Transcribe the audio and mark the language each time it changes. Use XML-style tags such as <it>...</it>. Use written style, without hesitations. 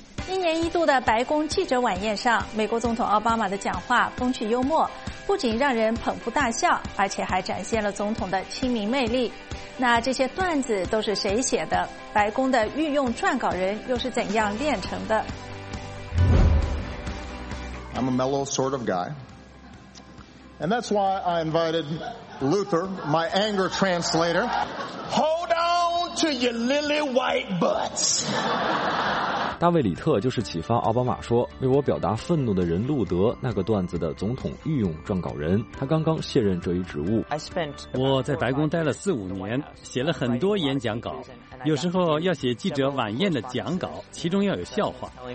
<zh>一年一度的白宫记者晚宴上，美国总统奥巴马的讲话风趣幽默，不仅让人捧腹大笑，而且还展现了总统的亲民魅力。那这些段子都是谁写的？白宫的御用撰稿人又是怎样炼成的？</zh> <en>I'm a mellow sort of guy. And that's why I invited Luther, my anger translator. Hold on to your lily white butts.</en> <zh>大卫·里特就是启发奥巴马说为我表达愤怒的人路德那个段子的总统御用撰稿人，他刚刚卸任这一职务。我在白宫待了四五年，写了很多演讲稿，有时候要写记者晚宴的讲稿，其中要有笑话。</zh>